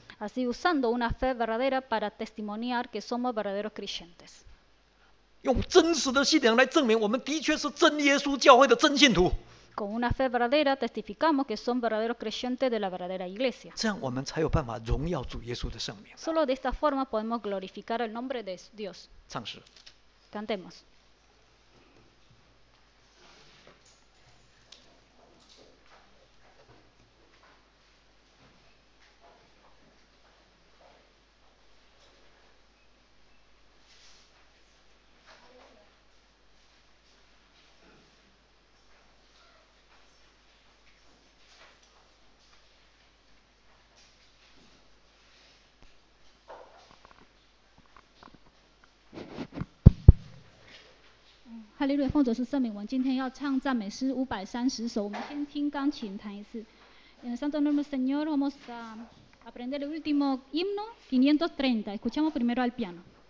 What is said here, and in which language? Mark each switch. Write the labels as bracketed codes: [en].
[es] Así usando una fe verdadera para testimoniar que somos verdaderos creyentes. [zh] 用真实的信仰来证明我们的确是真耶稣教会的真信徒. [es] Con una fe verdadera testificamos que son verdaderos creyentes de la verdadera iglesia. [zh] 这样我们才有办法荣耀主耶稣的圣名. [es] Solo de esta forma podemos glorificar el nombre de Dios. [zh] 唱诗. [es] Cantemos. [zh] 哈利路亚，奉主是圣名，我们今天要唱赞美诗530首，我们先听钢琴弹一次。 [es] En el santo nombre Señor, vamos a aprender el último himno 530. Escuchamos primero al piano.